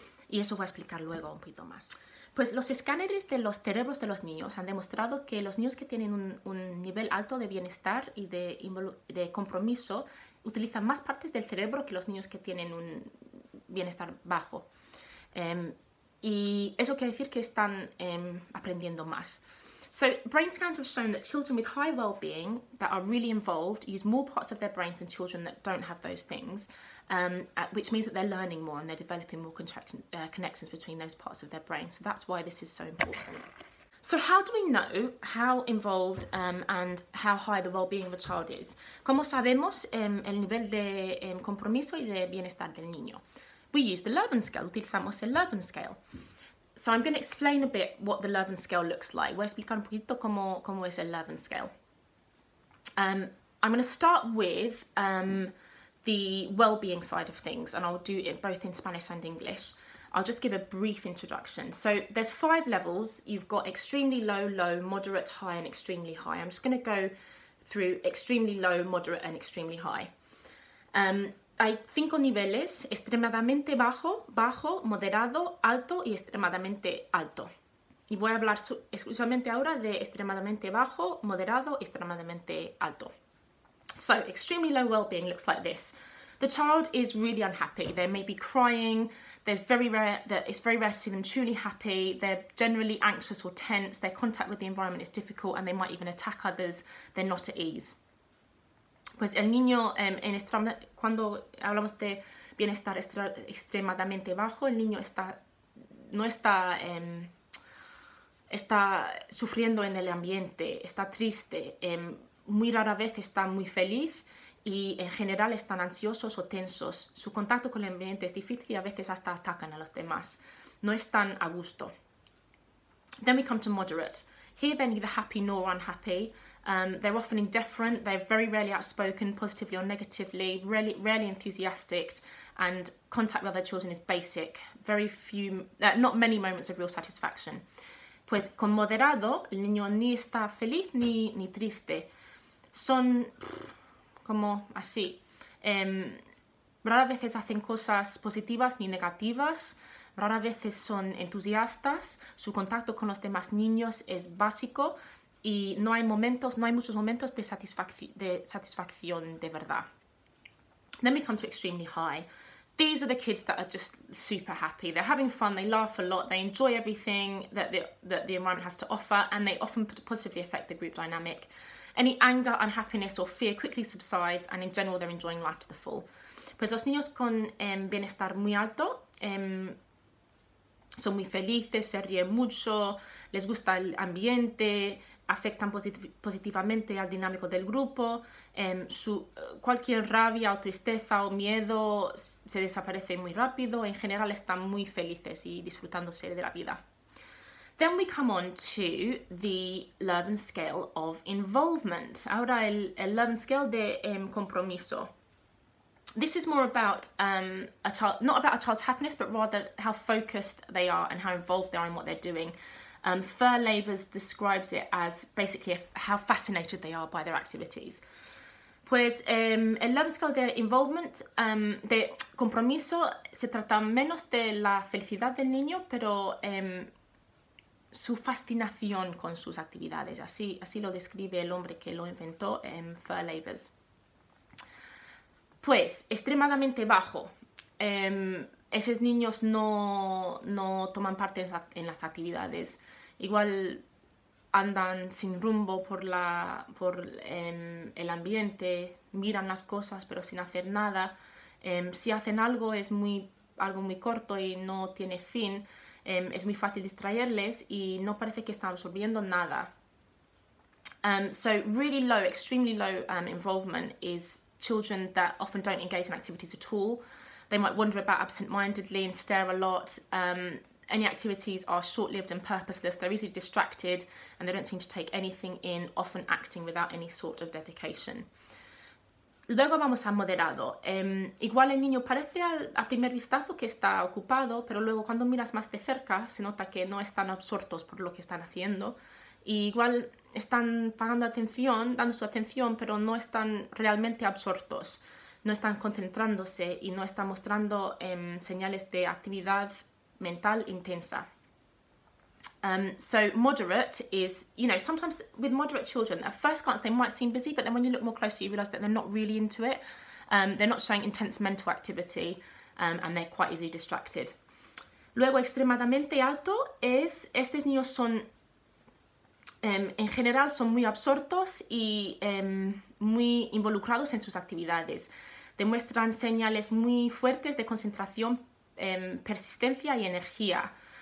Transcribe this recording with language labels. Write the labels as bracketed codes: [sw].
[es] Y eso voy a explicar luego un poquito más. Pues los escáneres de los cerebros de los niños han demostrado que los niños que tienen un nivel alto de bienestar y de compromiso utilizan más partes del cerebro que los niños que tienen un bienestar bajo. Y eso quiere decir que están aprendiendo más. [en] So brain scans have shown that children with high well-being that are really involved use more parts of their brains than children that don't have those things, which means that they're learning more and they're developing more connections between those parts of their brain. So that's why this is so important. So how do we know how involved and how high the well-being of a child is? [es] ¿Cómo sabemos el nivel de compromiso y de bienestar del niño? [en] We use the Lurven scale. [es] Utilizamos el Lurven scale. [en] So I'm going to explain a bit what the Lurven scale looks like. [es] Voy a explicar un poquito cómo es el Lurven scale. [en] I'm going to start with the well-being side of things, and I'll do it both in Spanish and English. I'll just give a brief introduction. So there's five levels. You've got extremely low, low, moderate, high, and extremely high. I'm just going to go through extremely low, moderate, and extremely high. [es] Hay cinco niveles: extremadamente bajo, bajo, moderado, alto y extremadamente alto. Y voy a hablar exclusivamente ahora de extremadamente bajo, moderado, extremadamente alto. [en] So, extremely low well-being looks like this. The child is really unhappy. They may be crying. It's very rare to see them truly happy. They're generally anxious or tense. Their contact with the environment is difficult, and they might even attack others. They're not at ease. [es] Pues el niño, cuando hablamos de bienestar extremadamente bajo, el niño está sufriendo en el ambiente, está triste, muy rara vez está muy feliz y en general están ansiosos o tensos. Su contacto con el ambiente es difícil y a veces hasta atacan a los demás. No están a gusto. [en] Then we come to moderate. Here they're neither happy nor unhappy. They're often indifferent, they're very rarely outspoken, positively or negatively, rarely enthusiastic, and contact with other children is basic. Not many moments of real satisfaction. [es] Pues con moderado, el niño ni está feliz ni triste. Son como así. Rara veces hacen cosas positivas ni negativas. Rara veces son entusiastas. Su contacto con los demás niños es básico. Y no hay momentos, no hay muchos momentos de satisfacción de verdad. [en] Then we come to extremely high. These are the kids that are just super happy. They're having fun, they laugh a lot, they enjoy everything that the environment has to offer, and they often positively affect the group dynamic. Any anger, unhappiness or fear quickly subsides, and in general they're enjoying life to the full. [es] Pues los niños con bienestar muy alto son muy felices, se ríen mucho, les gusta el ambiente, afectan positivamente al dinámico del grupo, cualquier rabia o tristeza o miedo se desaparece muy rápido, en general están muy felices y disfrutándose de la vida. [en] Then we come on to the Levin scale of involvement. [es] Ahora el Levin scale de compromiso. [en] This is more about a child, not about a child's happiness, but rather how focused they are and how involved they are in what they're doing. Fur Labors describes it as basically how fascinated they are by their activities. [es] Pues el Levin scale de involvement, de compromiso, se trata menos de la felicidad del niño, pero su fascinación con sus actividades. Así lo describe el hombre que lo inventó, Fur Labors. Pues, extremadamente bajo. Esos niños no toman parte en las actividades. Igual andan sin rumbo por el ambiente, miran las cosas pero sin hacer nada. Si hacen algo es algo muy corto y no tiene fin. Es muy fácil distraerles y no parece que están absorbiendo nada. [en] So really low, extremely low involvement is children that often don't engage in activities at all. They might wander about absent-mindedly and stare a lot. Any activities are short-lived and purposeless, they're easily distracted, and they don't seem to take anything in, often acting without any sort of dedication. [es] Luego vamos a moderado. Igual el niño parece a primer vistazo que está ocupado, pero luego cuando miras más de cerca se nota que no están absortos por lo que están haciendo. Y igual están pagando atención, dando su atención, pero no están realmente absortos. No están concentrándose y no están mostrando señales de actividad mental intensa. [en] So moderate is, you know, sometimes with moderate children, at first glance they might seem busy, but then when you look more closely you realise that they're not really into it. They're not showing intense mental activity and they're quite easily distracted. [es] Luego extremadamente alto es, estos niños son, en general son muy absortos y muy involucrados en sus actividades. Demuestran señales muy fuertes de concentración, persistencia y energía.